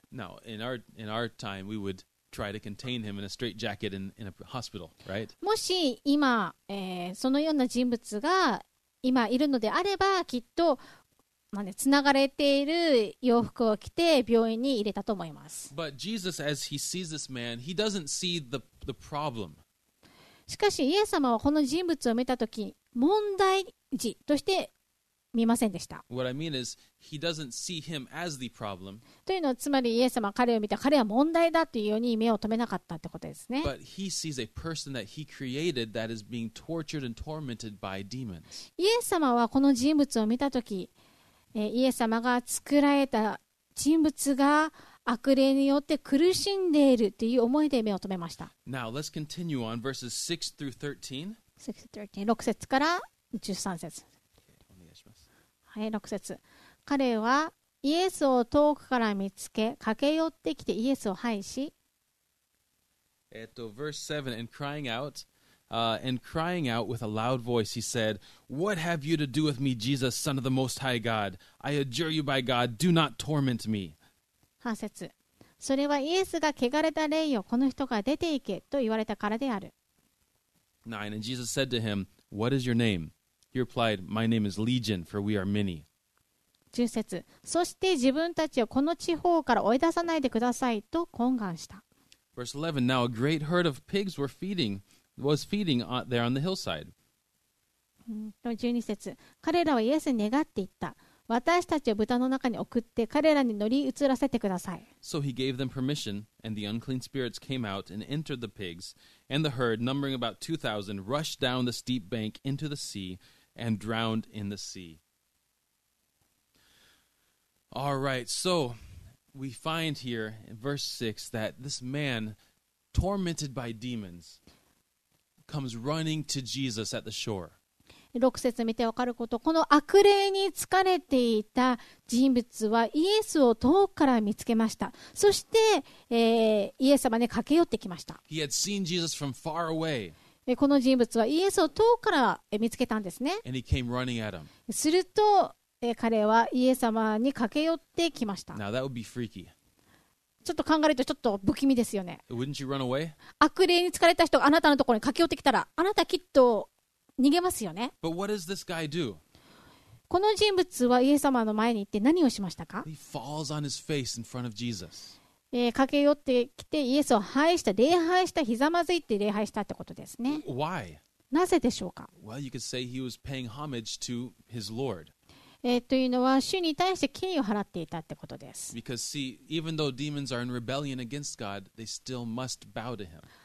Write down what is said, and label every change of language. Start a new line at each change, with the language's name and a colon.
English: Now, in our time, we would try to contain him in a straight jacket in a hospital, right?
Japanese: もし今、そのような人物が今いるのであれば、きっとまあね、繋がれている洋服を着て病院に入れたと思います。
English: But Jesus, as he sees this man, he doesn't see the problem.
Japanese: しかし、イエス様はこの人物を見たとき、問題児として見ませんでした。
English: What I mean is, he doesn't see him as the problem.
Japanese: というのは、つまりイエス様は彼を見た、彼は問題だというように目を留めなかったってことですね。
English: But he sees a person that he created that is being tortured and tormented by demons.
Japanese: イエス様はこの人物を見たとき、イエス様が作られた人物が悪霊によって苦しんでいるという思いで目を留めました。
English: Now, let's continue on verses
Japanese: 6 節から13節。 Okay, お願いします。はい、6節。彼はイエスを遠くから見つけ、駆け寄ってきてイエスを拝し、
English: verse 7, and crying out,crying out with a loud voice, he said, What have you to do with me, Jesus, Son of the Most High God? I adjure you by God, do not torment me.
Japanese: 8節。それはイエスが汚れた霊よ、この人が出て行けと言われたからである。
English: 9. And Jesus said to him, What is your name? He replied, My name is Legion, for we are many.
Japanese: 10節。そして自分たちをこの地方から追い出さないでくださいと懇願した。
English: Verse 11. Now a great herd of pigs were feedingwas feeding there on the hillside.
Japanese: 12節。彼らはイエスに願って言った。私たちを豚の中に送って彼らに乗り移らせてください。
English: So he gave them permission, and the unclean spirits came out and entered the pigs, and the herd, numbering about 2,000, rushed down the steep bank into the sea and drowned in the sea. All right, so we find here in verse 6 that this man, tormented by demons,comes running to Jesus at the shore.
Japanese: 6節見てわかること、この悪霊に疲れていた人物はイエスを遠くから見つけました。そして、イエス様に駆け寄ってきました。
English: He had seen Jesus from far away.
Japanese: この人物はイエスを遠くから見つけたんですね。
English: And he came running at him.
Japanese: すると、彼はイエス様に駆け寄ってきました。
English: Now that would be freaky.
Japanese: ちょっと考えるとちょっと不気味ですよね。
English: Wouldn't you run away?
Japanese: 悪霊に疲れた人があなたのところに駆け寄ってきたら、あなたきっと逃げますよね。
English: But what does this guy do?
Japanese: この人物はイエス様の前に行って何をしましたか?
English: He falls on his face in front of Jesus.
Japanese: 駆け寄ってきてイエスを拝した、礼拝した、ひざまずいて礼拝したってことですね。
English: Why?
Japanese: なぜでしょうか?
English: Well, you could say he was paying homage to his Lord.
Japanese: というのは主に対して敬意を払っていたってことです。
English: Because see, even though demons are in rebellion against God, they still must bow to him.